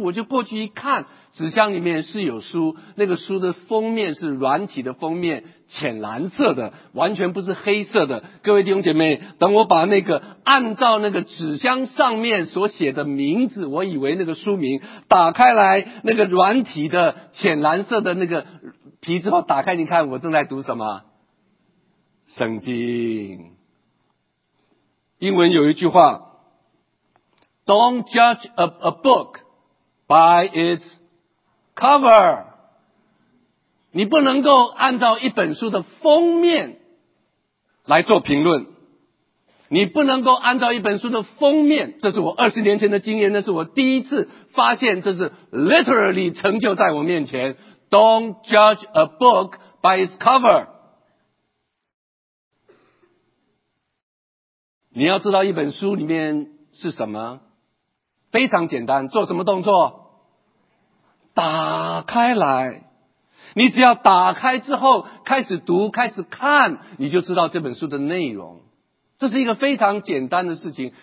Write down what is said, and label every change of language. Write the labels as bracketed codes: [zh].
[zh] 我就过去一看，纸箱里面是有书，那个书的封面是软体的封面，浅蓝色的，完全不是黑色的。各位弟兄姐妹，等我把那个按照那个纸箱上面所写的名字，我以为那个书名，打开来那个软体的浅蓝色的那个皮之后打开，你看我正在读什么？圣经。英文有一句话， [en] Don't judge a book by its cover。 [zh] 你不能够按照一本书的封面来做评论，你不能够按照一本书的封面，这是我20年前的经验，那是我第一次发现，这是 literally 成就在我面前。 [en] Don't judge a book by its cover。 [zh] 你要知道一本书里面是什么，非常简单，做什么动作？打开来。你只要打开之后开始读，开始看，你就知道这本书的内容，这是一个非常简单的事情。